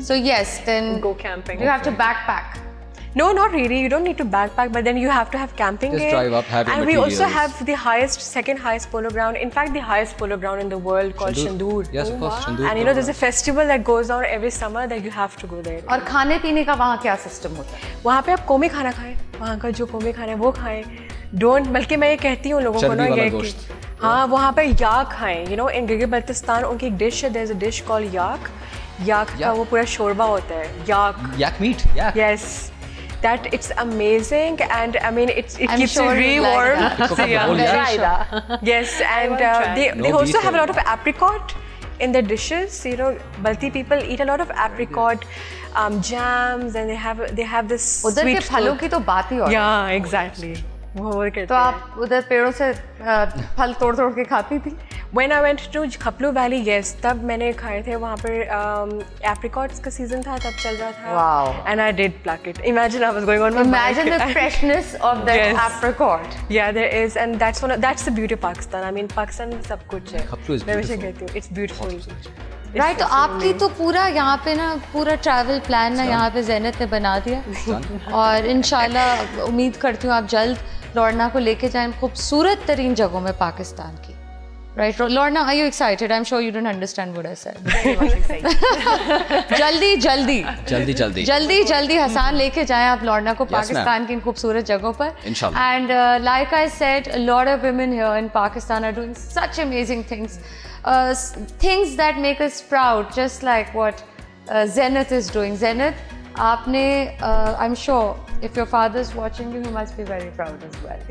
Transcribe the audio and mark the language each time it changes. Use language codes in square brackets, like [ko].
[en] So yes, then go camping. You have to backpack. No, not really. You don't need to backpack, but then you have to have camping gear. Just drive up, have your and materials. We also have the second highest polo ground. In fact, the highest polo ground in the world called Shandur. Yes, of course, Shandur. And you know, there's a festival that goes on every summer that you have to go there. [hi] और खाने पीने का वहाँ क्या system होता है? वहाँ पे आप कोमी खाना खाएं, वहाँ का जो कोमी खाना है वो खाएं. [en] Don't. [hi] बल्कि मैं ये कहती हूँ लोगों को ना ये कि हाँ वहाँ पे याक खाएं. [en] You know, in Gilgit-Baltistan, [hi] उनकी एक dish है. [en] There's a dish called yak. [hi] याक का वो पूरा शोरबा होता है. याक. [en] Yak meat. Yeah. Yes. That it's amazing and I mean it keeps you sure really warm. Like so you have to try that. Yes, and they also detail. Have a lot of apricot in their dishes. You know, Balti people eat a lot of apricot jams and they have this [hi] उधर [en] sweet [hi] के फलों की तो बात ही और. [en] Yeah, exactly. [hi] तो आप उधर पेड़ों से फल तोड़ तोड़ के खाती थी? [en] When I went to Khaplu Valley, yes, [hi] तब मैंने खाए थे वहाँ पर, apricots का सीजन था तब चल रहा था. [en] Wow. And I did pluck it. Imagine I was going on my bike. Imagine the freshness of that yes. apricot. Yeah, there is, and that's the beauty of Pakistan. I mean, Pakistan [hi] सब कुछ है. [en] Khaplu is beautiful. [hi] मैं वैसे कहती हूँ, [en] it's beautiful. It's right, [hi] तो आपकी तो पूरा यहाँ पे ना पूरा ट्रैवल प्लान ना यहाँ पे ज़ैनत ने बना दिया और इंशाल्लाह उम्मीद करती हूँ आप जल्द लौड़ना को लेके जाएं खूबसूरत तरीन जगहों में पाकिस्तान की. [en] Right लौड़ना, I you excited? I am sure you don't understand what I said. [hi] जल्दी जल्दी जल्दी जल्दी जल्दी जल्दी हसन लेके जाएं आप लौड़ना को पाकिस्तान की इन खूबसूरत जगहों पर. [en] And like I said, lot of women here in Pakistan are doing such amazing things. Things that make us proud, just like what Zenith is doing. Zenith, aapne, I'm sure if your father's watching you, he must be very proud as well.